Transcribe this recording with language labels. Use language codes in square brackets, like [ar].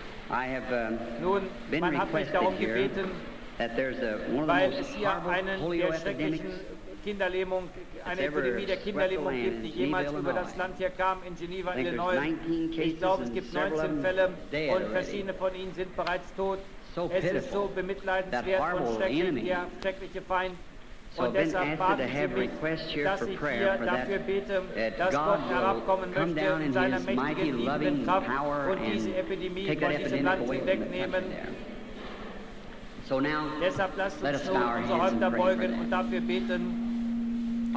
[en] I have been requested here that there's one of the most horrible polio epidemics [de] Kinderlähmung, eine Epidemie der Kinderlähmung gibt, die jemals über das Land hier kam, in Geneva, Illinois. Ich glaube, es gibt 19 Fälle und verschiedene von ihnen sind bereits tot. Es ist so bemitleidenswert und schrecklich, der schreckliche Feind. [en] So I've been asked to have requests here for prayer for that God will come down in his mighty loving power and take that epidemic away from the country there. So now, let us bow our hands and pray for that.